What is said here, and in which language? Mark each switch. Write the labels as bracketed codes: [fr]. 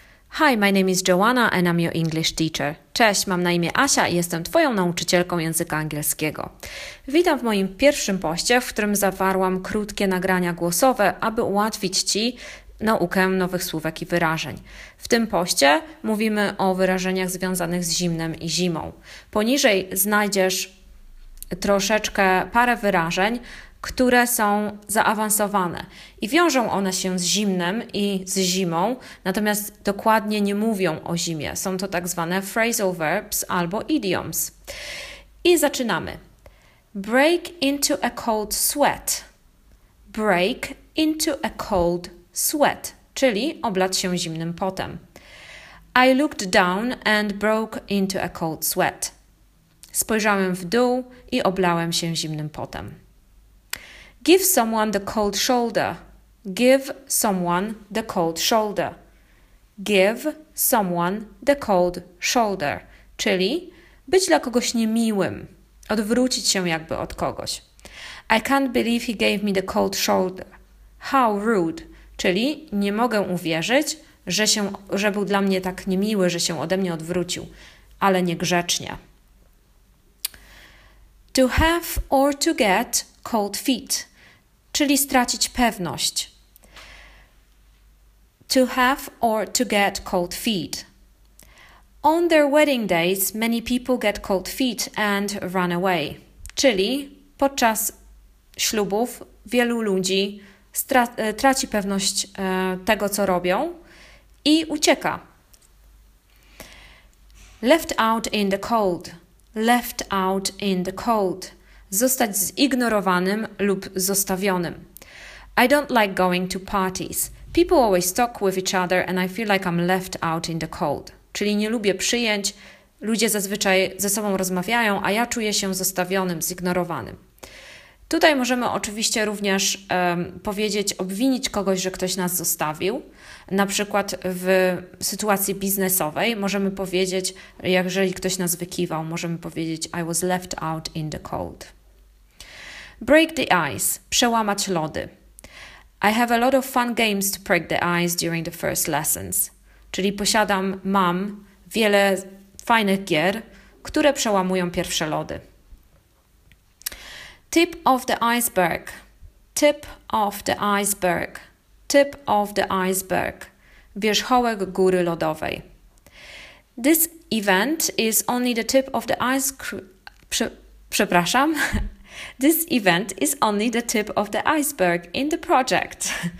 [en] Hi, my name is Joanna and I'm your English teacher. [pl] Cześć, mam na imię Asia i jestem Twoją nauczycielką języka angielskiego. Witam w moim pierwszym poście, w którym zawarłam krótkie nagrania głosowe, aby ułatwić Ci naukę nowych słówek i wyrażeń. W tym poście mówimy o wyrażeniach związanych z zimnem i zimą. Poniżej znajdziesz troszeczkę parę wyrażeń, które są zaawansowane i wiążą one się z zimnem i z zimą, natomiast dokładnie nie mówią o zimie. Są to tak zwane phrasal verbs albo idioms. I zaczynamy. [en] Break into a cold sweat. Break into a cold sweat, [pl] czyli oblać się zimnym potem. [en] I looked down and broke into a cold sweat. [pl] Spojrzałem w dół i oblałem się zimnym potem. [en] Give someone the cold shoulder. Give someone the cold shoulder. Give someone the cold shoulder. [pl] Czyli być dla kogoś niemiłym. Odwrócić się jakby od kogoś. [en] I can't believe he gave me the cold shoulder. How rude. [pl] Czyli nie mogę uwierzyć, że był dla mnie tak niemiły, że się ode mnie odwrócił. Ale niegrzecznie. [en] To have or to get cold feet. [pl] Czyli stracić pewność. [en] To have or to get cold feet. On their wedding days, many people get cold feet and run away. [pl] Czyli podczas ślubów wielu ludzi traci pewność tego, co robią i ucieka. [en] Left out in the cold. Left out in the cold. [pl] Zostać zignorowanym lub zostawionym. [en] I don't like going to parties. People always talk with each other and I feel like I'm left out in the cold. [pl] Czyli nie lubię przyjęć, ludzie zazwyczaj ze sobą rozmawiają, a ja czuję się zostawionym, zignorowanym. Tutaj możemy oczywiście również obwinić kogoś, że ktoś nas zostawił. Na przykład w sytuacji biznesowej możemy powiedzieć, jeżeli ktoś nas wykiwał, możemy powiedzieć [en] I was left out in the cold. Break the ice. [pl] Przełamać lody. [en] I have a lot of fun games to break the ice during the first lessons. [pl] Czyli mam wiele fajnych gier, które przełamują pierwsze lody. [en] Tip of the iceberg. Tip of the iceberg. Tip of the iceberg. [pl] Wierzchołek góry lodowej. [en] This event is only the tip of the iceberg. Przepraszam. This event is only the tip of the iceberg in the project.